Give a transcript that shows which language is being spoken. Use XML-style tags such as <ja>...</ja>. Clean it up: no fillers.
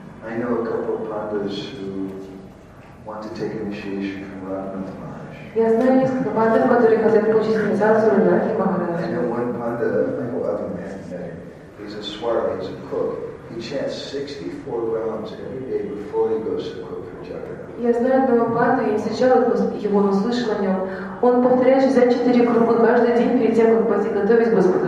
<en>I know a couple of Pandavas who want to take initiation from Radha Maharaj.</en> <ru>Я знаю несколько пандов, которые хотят получить инициацию Рудраки Махараджа.</ru> <en>I know one panda, I know other man, he's a swami, he's a cook. He chants 64 rounds every day before he goes to cook for Jagannath.</en> <ru>Я знаю одного панду, я не встречала его, но слышала о нем. Он повторяет 64 круга каждый день перед тем, как пойти готовить Господа</ru>